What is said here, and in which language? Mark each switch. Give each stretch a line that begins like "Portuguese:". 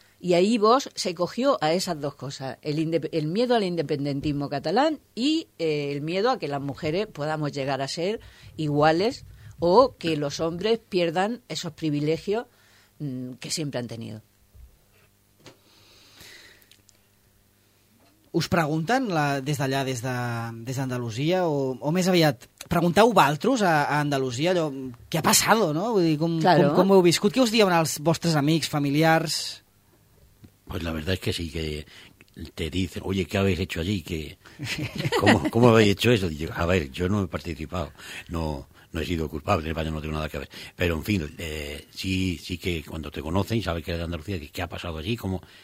Spanish: Y ahí Vox se cogió a esas dos cosas, el miedo al independentismo catalán y el miedo a que las mujeres podamos llegar a ser iguales o que los hombres pierdan esos privilegios que siempre han tenido.
Catalan: Us pregunten des d'allà, des d'Andalusia, o més aviat, pregunteu valtros a Andalusia, allò, què ha passat, no? Vull dir, com ho heu viscut? Què us diuen els vostres amics, familiars?
Spanish: Pues la verdad es que sí, que te dicen, oye, ¿qué habéis hecho allí? ¿Cómo habéis hecho eso? Y yo, a ver, yo no he participado, no he sido culpable, en España no tengo nada que ver. Pero, en fin, sí que cuando te conocen, sabes que eres de Andalucía, ¿qué ha pasado allí? ¿Cómo...?